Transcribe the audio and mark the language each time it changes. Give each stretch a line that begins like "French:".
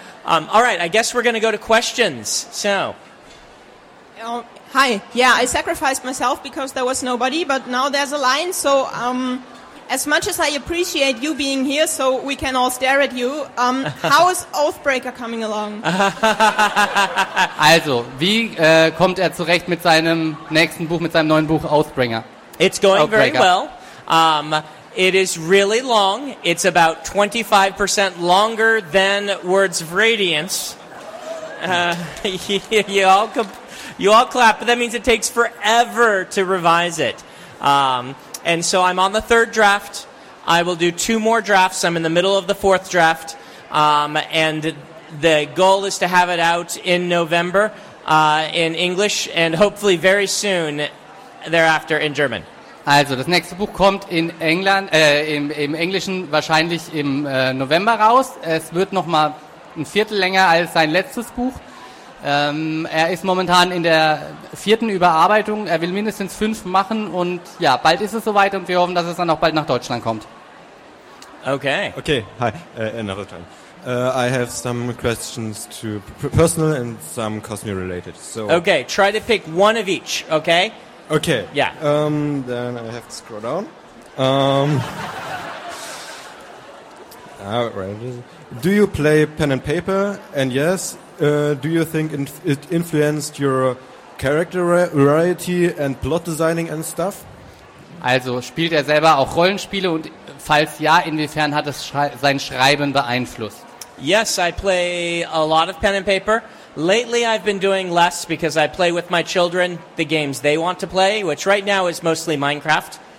English: All right, I guess we're going to go to questions. So... Hi. Yeah, I sacrificed myself because there was nobody, but now there's a line. So as much as I appreciate you being here so we can all stare at you, how is Oathbreaker coming along?
German: Also, wie kommt er zurecht mit seinem nächsten Buch, mit seinem neuen Buch, Oathbringer?
English: It's going very well. It is really long. It's about 25% longer than Words of Radiance. You all clap, but that means it takes forever to revise it. And so I'm on the third draft. I will do two more drafts. I'm in the middle of the fourth draft, and the goal is to have it out in November in English and hopefully very soon thereafter in German.
German: Also, das nächste Buch kommt in England, im Englischen wahrscheinlich im November raus. Es wird noch mal ein Viertel länger als sein letztes Buch. Er ist momentan in der vierten Überarbeitung. Er will mindestens fünf machen und ja, bald ist es soweit und wir hoffen, dass es dann auch bald nach Deutschland kommt.
English: Okay. Okay, hi. I have some questions to personal and some Cosmere related. So. Okay, try to pick one of each, okay? Okay. Yeah. Then I have to scroll down. Right. Do you play pen and paper? And yes, do you think it influenced your character variety and plot designing and stuff?
German: Also, spielt er selber auch Rollenspiele und falls ja, inwiefern hat es sein Schreiben beeinflusst?
English: Yes, I play a lot of pen and paper. Lately, I've been doing less because I play with my children the games they want to play, which right now is mostly Minecraft.